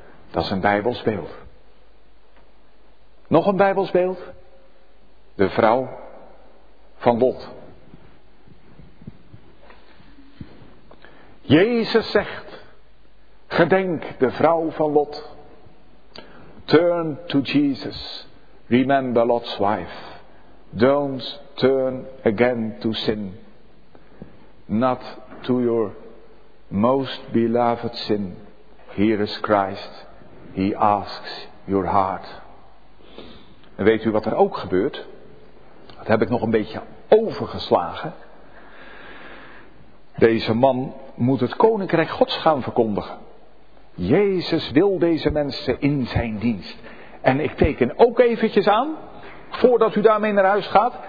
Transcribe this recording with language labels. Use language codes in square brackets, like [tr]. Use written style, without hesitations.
[nl] Dat is een Bijbels beeld. Nog een Bijbels beeld. De vrouw van Lot. Jezus zegt: gedenk de vrouw van Lot. [en] Turn to Jesus. Remember Lot's wife. Don't turn again to sin. Not to your most beloved sin. Here is Christ. He asks your heart. [nl] En weet u wat er ook gebeurt? Dat heb ik nog een beetje overgeslagen. Deze man moet het koninkrijk Gods gaan verkondigen. Jezus wil deze mensen in zijn dienst. En ik teken ook eventjes aan, voordat u daarmee naar huis gaat.